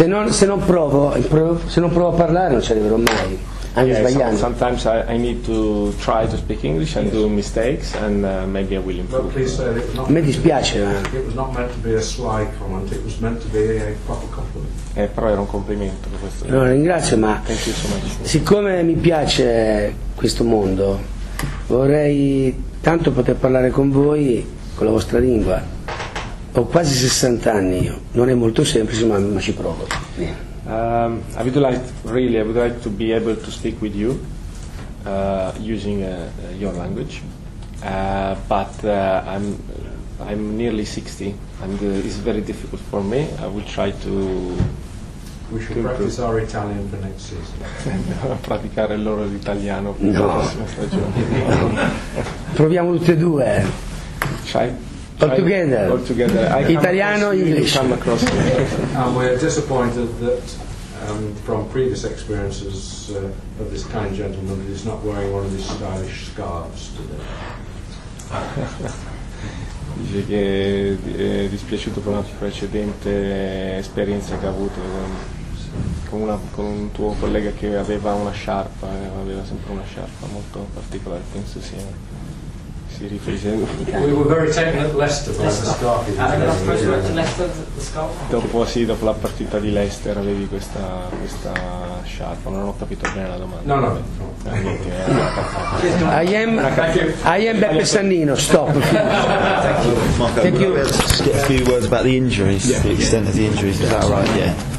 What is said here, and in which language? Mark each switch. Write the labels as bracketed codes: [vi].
[it] Se non provo a parlare, non ci arriverò mai. Anche sbagliando. [en] Sometimes I need to try to speak English and do mistakes and maybe I will improve. [it] Mi dispiace. [en] It was not meant to be a sly comment. It was meant to be a proper compliment. [it] Però era un complimento questo. No, ringrazio, ma siccome mi piace questo mondo, vorrei tanto poter parlare con voi con la vostra lingua. Ho quasi 60 anni io. Non è molto semplice, ma ci provo. [en] I would like really, I would like to be able to speak with you using your language. But I'm nearly 60 and it's very difficult for me. I will try to. We should practice our Italian for next season. [it] Praticare loro l'italiano per la prossima stagione. Proviamo tutte e due. [en] All together. [it] Italiano, English. [en] And we're disappointed that from previous experiences of this kind gentleman that he's not wearing one of his stylish scarves today. [it] Dice che è dispiaciuto per una precedente esperienza che ha avuto con un tuo collega che aveva sempre una sciarpa molto particolare, penso sia si riferisce. [en] We were very taken at Leicester by the scarf. [it] Dopo la partita di Leicester avevi questa sciarpa, non ho capito bene la domanda. [en] I am Beppe Sannino, stop. Thank you. Just get a few words about the injuries, yeah. The extent of the injuries, is that right? Yeah.